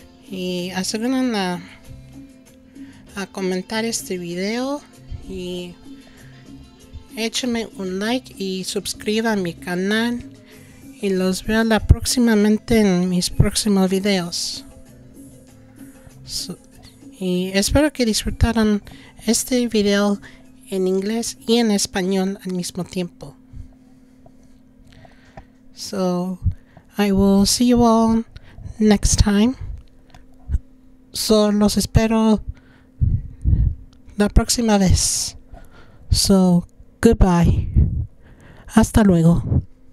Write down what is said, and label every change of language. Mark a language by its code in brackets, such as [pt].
[es] Y aseguren a comentar este video y échenme un like y suscriban a mi canal, y los veo la próximamente en mis próximos videos. Y espero que disfrutaron este video en inglés y en español al mismo tiempo. [en] So I will see you all next time. [es] So los espero la próxima vez. [en] So goodbye. [es] Hasta luego.